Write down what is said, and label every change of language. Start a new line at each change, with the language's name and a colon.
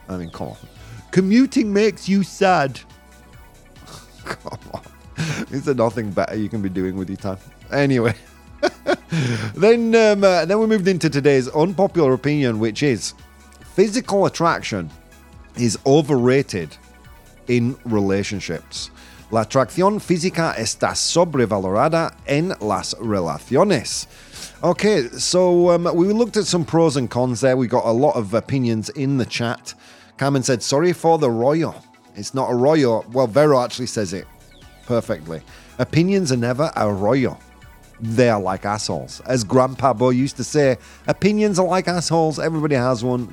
English: I mean, come on. Commuting makes you sad. Come on. Is there nothing better you can be doing with your time? Anyway. then we moved into today's unpopular opinion, which is physical attraction is overrated in relationships.
Spanish: La atracción física está sobrevalorada en las relaciones.
English: Okay, so we looked at some pros and cons there. We got a lot of opinions in the chat. Carmen said, sorry for the royal. It's not a royal. Well, Vero actually says it perfectly. Opinions are never a royal. They are like assholes. As Grandpa Bo used to say, opinions are like assholes. Everybody has one.